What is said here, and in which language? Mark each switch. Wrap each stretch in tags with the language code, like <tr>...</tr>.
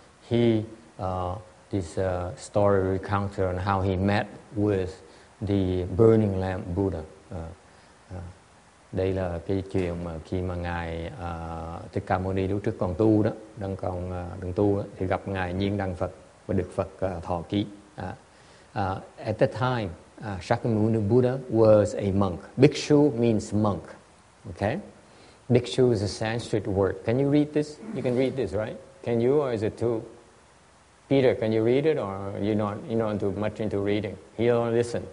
<en>He this story recounted on how he met with the burning lamp Buddha.</en> <vi>Đây là cái chuyện mà khi mà ngài Thích Ca Mâu Ni lúc trước còn tu đó, đang tu đó, thì gặp ngài Nhiên Đăng Phật và được Phật thọ ký.</vi> <en>At the time, Shakyamuni Buddha was a monk. Bhikshu means monk. Okay? Bhikshu is a Sanskrit word. Can you read this? You can read this, right? Can you or is it too? Peter, can you read it or you're not into much into reading? He only listen.</en>